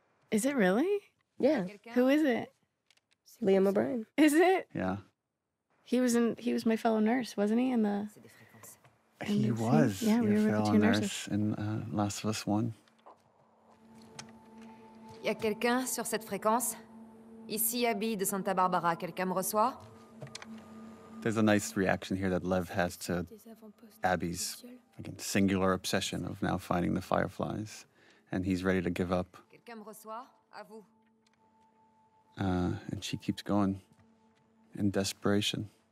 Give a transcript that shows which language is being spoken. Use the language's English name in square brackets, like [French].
[English] Is it really? Yeah. Who is it? Liam O'Brien. Is it? Yeah. He was my fellow nurse, wasn't he? In the he was. Yeah, we were the two nurses in Last of Us 1. [French] Y a quelqu'un sur cette fréquence? Ici Abby de Santa Barbara, quelqu'un me reçoit? [English] There's a nice reaction here that Lev has to Abby's again, singular obsession of now finding the fireflies, and he's ready to give up. [French] Quelqu'un me reçoit? À vous. [English] And she keeps going in desperation.